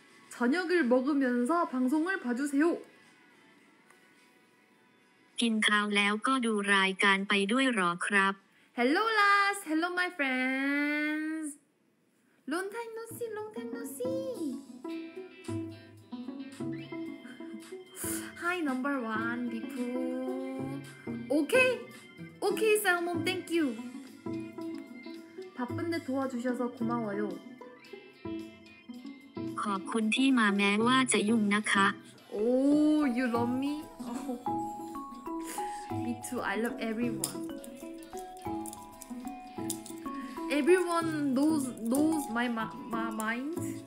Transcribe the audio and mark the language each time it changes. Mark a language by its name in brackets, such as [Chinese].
[Korean] 저녁을 먹으면서 방송을 봐주세요. [Thai] กินข้าวแล้วก็ดูรายการไปด้วยหรอครับ [English] Hello last. Hello my friends. Long time no see. Hi number one, Bipu. Okay, Salmon, thank you. [Korean] 바쁜데 도와주셔서 고마워요. [Thai] ขอบคุณที่มาแม้ว่าจะยุ่งนะคะ [English] Oh, you love me? Oh. Me too, I love everyone. Everyone knows my mind.